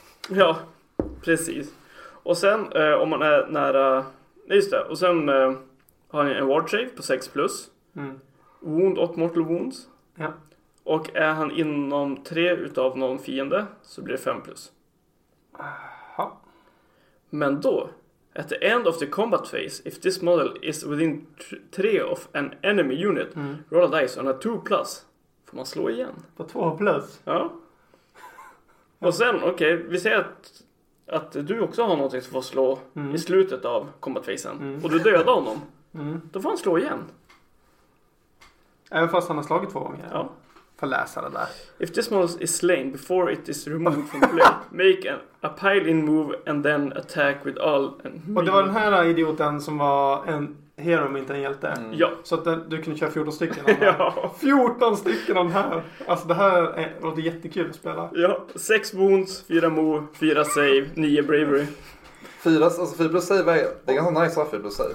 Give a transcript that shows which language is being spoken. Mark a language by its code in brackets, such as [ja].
[sv] Ja, precis. Och sen om man är nära... Just det, och sen... har han en ward save på 6 plus. Mm. Wound och mortal wounds. Ja. Och är han inom 3 utav någon fiende så blir det 5 plus. Aha. Men då, [en] at the end of the combat phase, if this model is within 3 of an enemy unit, mm. roll a dice on a 2 plus. [sv] Får man slå igen. På 2 plus? Ja. Och sen, okej, okay, vi säger att du också har någonting som får slå mm. i slutet av combat phasen. Mm. Och du dödar honom. Mm. Då får han slå igen. Även fast han har slagit 2 gånger. Ja. För läsa det där. [en] If this model is slain before it is removed from play, make a pile in move and then attack with all. [sv] Och det var den här idioten som var en hero men inte en hjälte. Mm. Ja. Så att du kunde köra 14 stycken av den här. Ja. 14 stycken av den här. Alltså det här låter jättekul att spela. Ja. 6 wounds, 4 move, 4 save, 9 bravery. Fyra plus save, det är ganska nice att ha fyra plus save.